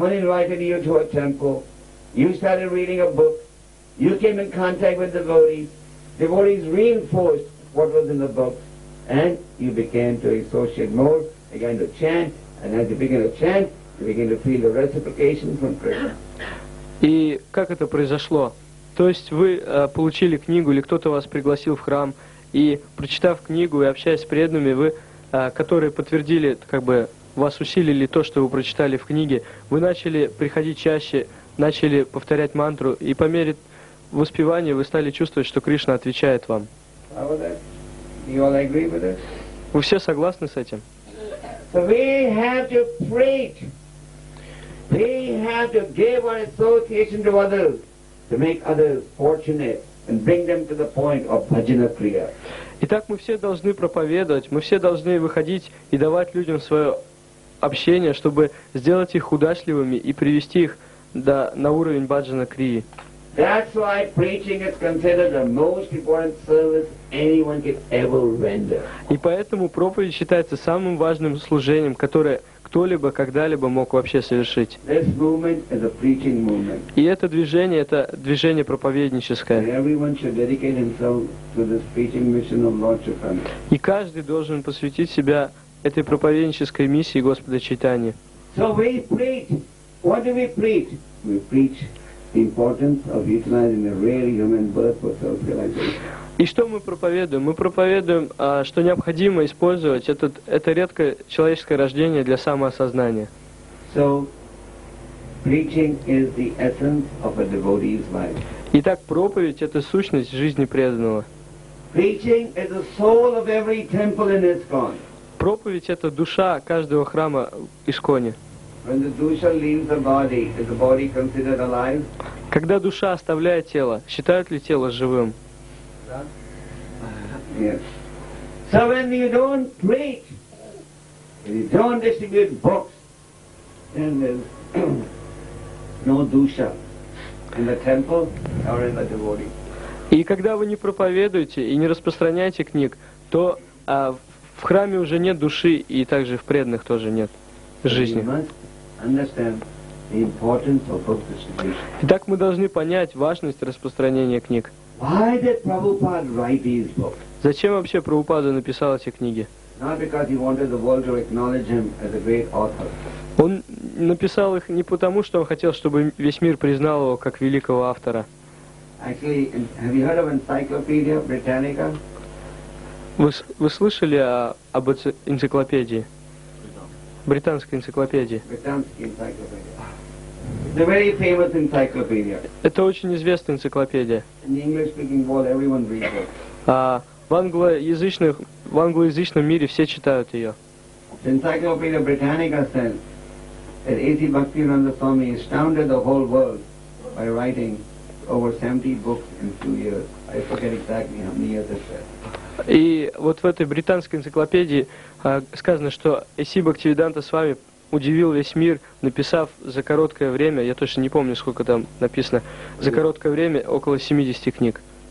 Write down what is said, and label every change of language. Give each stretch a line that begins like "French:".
English: You started reading a book, you came in contact with devotees, devotees reinforced what was in the book, and you began to associate more, began to chant, and as you began to chant, you began to feel the reciprocation from Krishna.
Russian: И как это произошло? То есть вы получили книгу, или кто-то вас пригласил в храм, и прочитав книгу и общаясь с преданными, вы, которые подтвердили, как бы, вас усилили то, что вы прочитали в книге, вы начали приходить чаще, начали повторять мантру, и по мере воспевания вы стали чувствовать, что Кришна отвечает вам. Вы все согласны с этим?
English: So we have to preach. We have to give our association to others, to make others fortunate, and bring them to the point of bhajana kriya.
Russian: Итак, мы все должны проповедовать, мы все должны выходить и давать людям свое общение, чтобы сделать их удачливыми и привести их до, на уровень баджана крии.
English: That's why preaching is considered the most important service anyone can ever render.
Russian: И поэтому проповедь считается самым важным служением, которое кто-либо когда-либо мог вообще совершить.
English: This movement is a preaching movement.
Russian: И это движение — это движение проповедническое.
English: Everyone should dedicate himself to this preaching mission of Lord Chaitanya.
Russian: И каждый должен посвятить себя этой проповеднической миссии Господа Чайтаньи.
English: So we preach. What do we preach? We preach the importance of utilizing a rare human birth for self-realization.
Russian: И что мы проповедуем? Мы проповедуем, что необходимо использовать этот, это редкое человеческое рождение для самоосознания.
English: So, preaching is the essence of a devotee's life.
Russian: Итак, проповедь — это сущность жизни преданного.
English: Preaching is the soul of every temple in ISKCON.
Russian: Проповедь — это душа каждого храма ISKCON-е.
English: When the dusha leaves the body, is the body considered alive?
Russian: Когда душа оставляет тело, считают ли тело живым?
English: Yes. So when you don't preach, when you don't distribute books, then there's no dusha in the temple or in the devotee.
Russian: И когда вы не проповедуете и не распространяете книг, то в храме уже нет души, и также в преданных тоже нет жизни.
English: So you must understand the importance of book distribution.
Russian: Итак, мы должны понять важность распространения книг.
English: Why did Prabhupada write these books?
Russian: Зачем вообще Прабхупада написал эти книги?
English: Not because he wanted the world to acknowledge him as a great author.
Russian: Он написал их не потому, что он хотел, чтобы весь мир признал его как великого автора.
English: Actually, have you heard of Encyclopedia Britannica?
Russian: Вы слышали об энциклопедии? Британской энциклопедии. Британской энциклопедии.
English: It's a very famous encyclopedia.
Russian: Это очень известная энциклопедия.
English: In the English-speaking world, everyone reads it.
Russian: В англоязычном мире все читают ее.
English: The Encyclopedia Britannica says that A.C. Bhaktivedanta Swami astounded the whole world by writing over 70 books in 2 years. I forget exactly how many years it says.
Russian: И вот в этой британской энциклопедии сказано, что А.С. Бхактивиданта Свами удивил весь мир, написав за короткое время, я точно не помню, сколько там написано, за короткое время около 70 книг.